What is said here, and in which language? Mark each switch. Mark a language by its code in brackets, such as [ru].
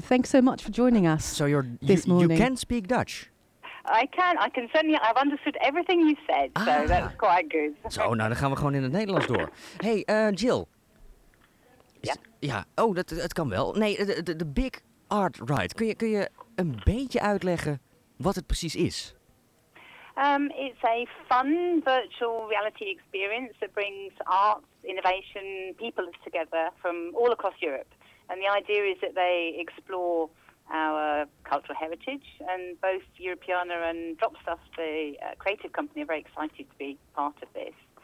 [en] Thanks so much for joining us this morning. You can speak Dutch? I can. I can certainly... I've understood everything you said, so that's quite good. [nl] Zo, nou, dan gaan we gewoon in het Nederlands door. Hey, Jill. Ja. Ja. Oh, dat kan wel. Nee, de Big Art Ride. Kun je een beetje uitleggen wat het precies is? [en] It's a fun virtual reality experience that brings arts, innovation, people together from all across Europe. And the idea is that they explore our cultural heritage, and both Europeana and Dropstuff, the creative company, are very excited to be part of this.